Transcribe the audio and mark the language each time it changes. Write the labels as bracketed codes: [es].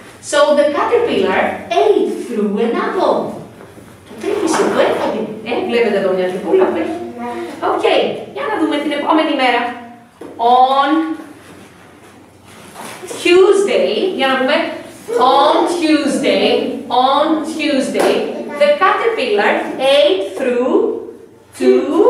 [en] So the caterpillar ate through an apple. [el] Το τρίχισε, το έφαγε. Βλέπετε εδώ μια τρυπούλα που έχει. Οκ, για να δούμε την επόμενη μέρα. [en] On Tuesday, [el] για να πούμε. [en] On Tuesday, on Tuesday, the caterpillar ate through two.